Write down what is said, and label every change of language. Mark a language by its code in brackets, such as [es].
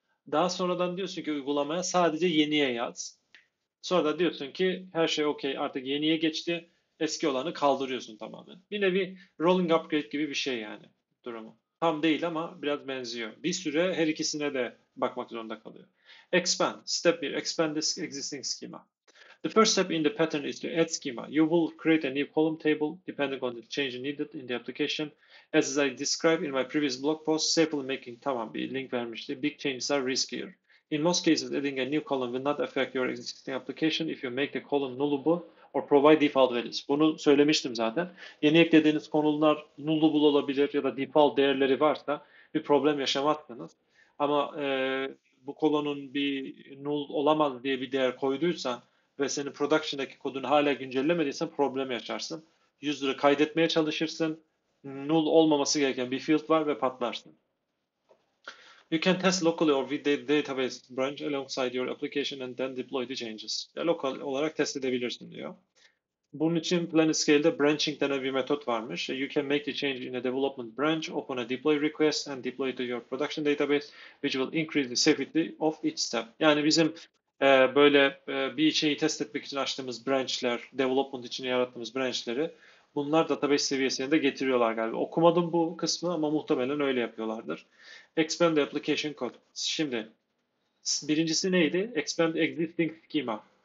[tr] Daha sonradan diyorsun ki uygulamaya sadece yeniye yaz. Sonra da diyorsun ki her şey okey artık yeniye geçti. Eski olanı kaldırıyorsun tamamen. Bir nevi rolling upgrade gibi bir şey yani durumu. Tam değil ama biraz benziyor. Bir süre her ikisine de bakmak zorunda kalıyor. [en] Expand. Step 1. Expand this existing schema. The first step in the pattern is to add schema. You will create a new column table depending on the change needed in the application. As I described in my previous blog post, sample making [tr] tamam bir link vermişti. [en] Big changes are riskier. In most cases, adding a new column will not affect your existing application if you make the column nullable or provide default values. [tr] Bunu söylemiştim zaten. Yeni eklediğiniz konular nullable olabilir ya da default değerleri varsa bir problem yaşamazsınız. Ama bu kolonun bir null olamaz diye bir değer koyduysan ve senin production'daki kodun hala güncellemediysen problem yaşarsın. User'ı kaydetmeye çalışırsın. Null olmaması gereken bir field var ve patlarsın. [en] You can test locally or with the database branch alongside your application and then deploy the changes. [tr] Ya lokal olarak test edebilirsin diyor. Bunun için Planetscale'de branching denen bir metot varmış. [en] You can make the change in a development branch, open a deploy request and deploy to your production database, which will increase the safety of each step. [tr] Yani bizim böyle bir şeyi test etmek için açtığımız branchler, development için yarattığımız branchleri bunlar database seviyesine de getiriyorlar galiba. Okumadım bu kısmı ama muhtemelen öyle yapıyorlardır. [en] Expand the application code. [tr] Şimdi birincisi neydi? [en] Expand existing schema.